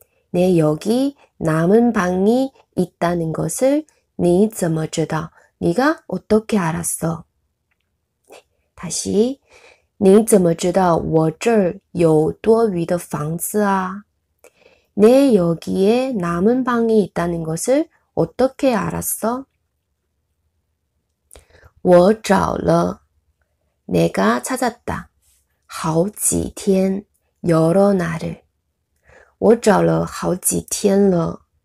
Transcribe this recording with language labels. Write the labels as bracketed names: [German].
[Korean] 내 여기 남은 방이 있다는 것을 [Chinese] 你怎么知道? [Korean] 네가 어떻게 알았어? 다시, [Chinese] 你怎么知道我这儿有多余的房子啊? [Korean] 내 여기에 남은 방이 있다는 것을 어떻게 알았어? [Chinese] 我找了. [Korean] 내가 찾았다. [Chinese] 好几天, [Korean] 여러 날을. [Chinese] 我找了好几天了.